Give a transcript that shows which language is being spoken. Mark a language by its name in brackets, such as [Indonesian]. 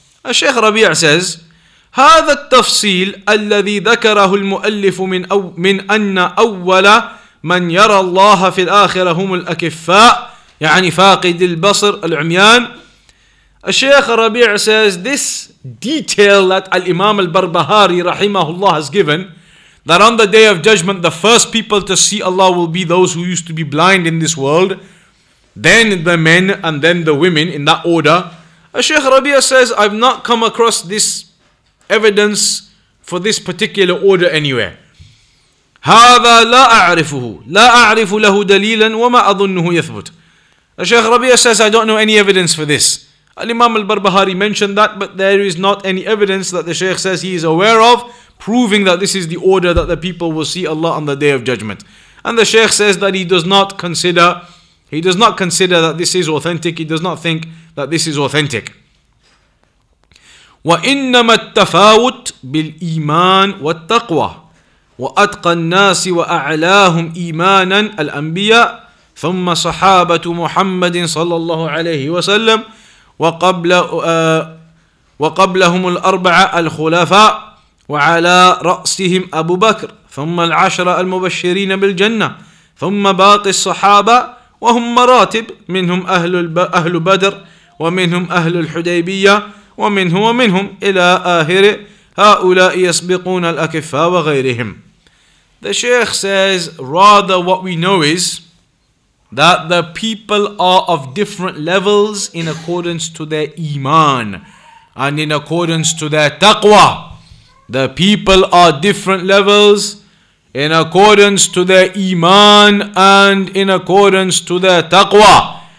[English] Shaykh Rabee' says, [Arabic] هذا التفصيل الذي ذكره المؤلف من أن أول من يرى الله في الآخرة هم الأكفاء يعني فاقد البصر العميان. [English] الشيخ ربيع says, this detail that Al-Imam Al-Barbahaaree [Arabic] رحمه الله [English] has given, that on the Day of Judgment the first people to see Allah will be those who used to be blind in this world, then the men and then the women in that order. الشيخ ربيع says, I've not come across this evidence for this particular order anywhere. [Arabic] هذا لا أعرفه لا أعرف له دليلا وما أظنه يثبت. [English] Sheikh Rabee says, I don't know any evidence for this Al-Imam al-Barbahari mentioned that, but there is not any evidence that the Shaykh says he is aware of, proving that this is the order that the people will see Allah on the Day of Judgment. And the Shaykh says that he does not consider that this is authentic, he does not think that this is authentic. [Arabic] وَإِنَّمَا التَّفَاوُتْ بِالْإِيمَانِ وَالتَّقْوَى وَأَتْقَى النَّاسِ وَأَعْلَاهُمْ إِيمَانًا الْأَنْبِيَاءِ ثُمَّ صَحَابَةُ مُحَمَّدٍ صلى الله عليه وسلم وقبلهم الأربعة الخلفاء وعلى رأسهم أبو بكر ثم العشرة المبشرين بالجنة ثم باقي الصحابة وهم مراتب منهم أهل بدر ومنهم أهل الحديبية ومنهم إلى آخر هؤلاء يسبقون الأكفاء وغيرهم. [English] The Sheikh says, rather what we know is that the people are of different levels in accordance to their iman and in accordance to their taqwa. The people are different levels in accordance to their iman and in accordance to their taqwa.